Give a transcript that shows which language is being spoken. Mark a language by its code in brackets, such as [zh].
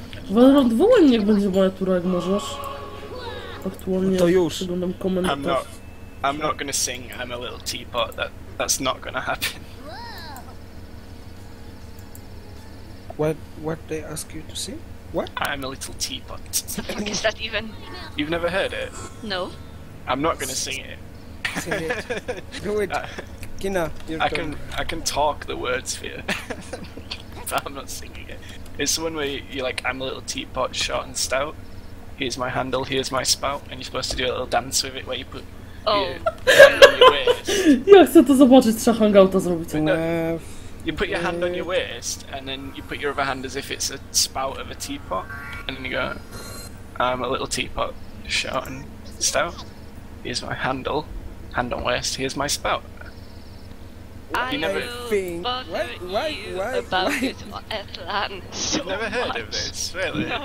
[pl] Velrond, wołaj mnie, jak będzie moja tura, jak możesz. Aktualnie to już. Przeglądam komentarz. [en] I'm not gonna sing, I'm a little teapot. That's not gonna happen. What they ask you to sing? What? I'm a little teapot. What the fuck is that even? You've never heard it? No. I'm not gonna sing it. Sing it. Do it. Kina, you're done. I can talk the words for you. But I'm not singing it. It's the one where you're like, I'm a little teapot, short and stout. Here's my handle, here's my spout. And you're supposed to do a little dance with it where you put your hand on your waist. [pl] Ja chcę to zobaczyć, trzeba hangouta zrobić. [en] You put your hand on your waist, and then you put your other hand as if it's a spout of a teapot. And then you go, I'm a little teapot, short and stout. Here's my handle, hand on waist, here's my spout. You've never heard of this, really? No.